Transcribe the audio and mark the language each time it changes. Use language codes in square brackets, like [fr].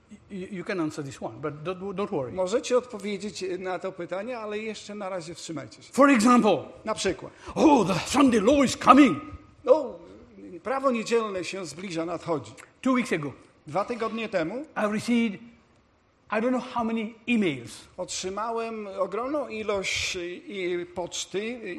[en] You can answer this one, but don't worry. [pl] Możecie odpowiedzieć na to pytanie, ale jeszcze na razie wstrzymajcie się. [en] For example. [pl] Na przykład. [en] Oh, the Sunday law is coming. [pl] No, prawo niedzielne się zbliża, nadchodzi. [en] 2 weeks ago. [pl] 2 tygodnie temu. [en] I received, I don't know how many emails. [pl] Otrzymałem ogromną ilość poczty.